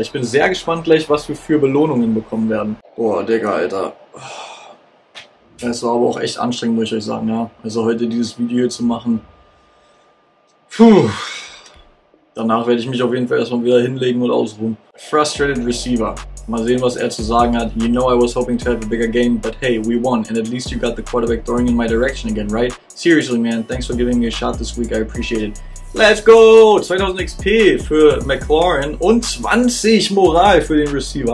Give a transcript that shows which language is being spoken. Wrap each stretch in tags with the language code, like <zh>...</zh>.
<de>Ich bin sehr gespannt gleich, was wir für Belohnungen bekommen werden. Boah, Digga, Alter. Es war aber auch echt anstrengend, muss ich euch sagen, ja. Also heute dieses Video hier zu machen. Puh. Danach werde ich mich auf jeden Fall erstmal wieder hinlegen und ausruhen. Frustrated Receiver. Mal sehen, was er zu sagen hat.</de> <en>You know I was hoping to have a bigger game, but hey, we won. And at least you got the quarterback throwing in my direction again, right? Seriously, man. Thanks for giving me a shot this week. I appreciate it. Let's go!</en> <de>2000 XP für McLaurin und 20 Moral für den Receiver.</de>